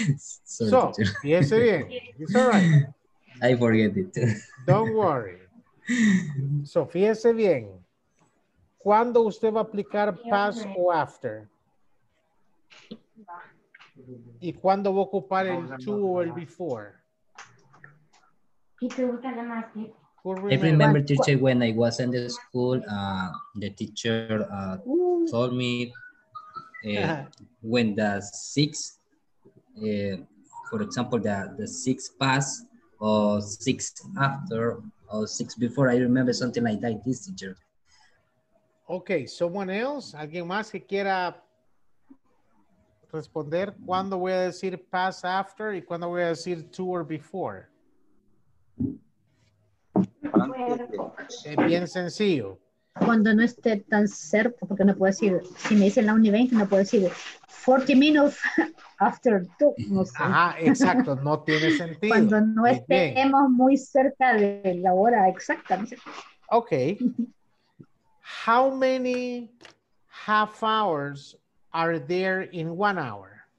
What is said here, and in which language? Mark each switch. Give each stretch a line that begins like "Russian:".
English: Uh-huh. Sorry, so, teacher. Yes, bien. It's all right. I forget it. Don't worry. So,
Spanish: fíjese bien. ¿Cuándo usted va a aplicar past o after? ¿Y cuándo va a ocupar el to o el before?
English: I remember, teacher, when I was in the school, the teacher told me when the six, for example, the six past or six after or six before. I remember something like that, this teacher. Okay, someone else?
Spanish: ¿Alguien más que quiera responder? ¿Cuándo voy a decir past after y cuándo voy a decir to or before? Es bien sencillo. Cuando no esté tan cerca, porque no puedo decir, si me dicen la 1:20, no puedo decir
English: 40 minutes after 2.
Spanish: No sé. Ajá, exacto, no tiene sentido. Cuando no estemos muy cerca de la hora exacta. Ok.
English: How many half hours are there in 1 hour?